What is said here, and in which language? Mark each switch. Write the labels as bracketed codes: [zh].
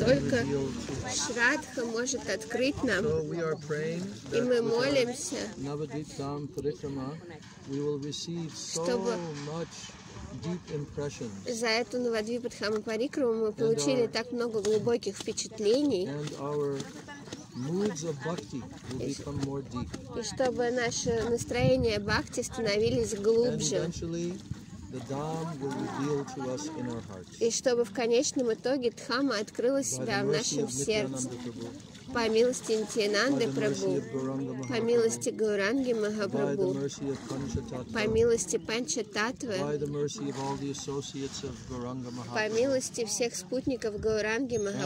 [ru] Только Шрадха может открыть нам. [en] So we are praying [ru] и мы молимся. [en] Navadvipam Paritrama, we will receive so much deep impressions. [ru] За эту Навадвипадхаму Парикраму мы получили так много глубоких впечатлений. [en] And our moods of bhakti will become more deep. [ru] И чтобы наше настроение бхакти становились глубже. [en] And eventually, the Dham will reveal to us in our hearts. [ru] И чтобы в конечном итоге Дхамма открылась себя в нашем сердце. По милости Нитьянанды Прабху, по милости Гауранги Махапрабху, по милости Панча Таттвы, по милости всех спутников Гауранги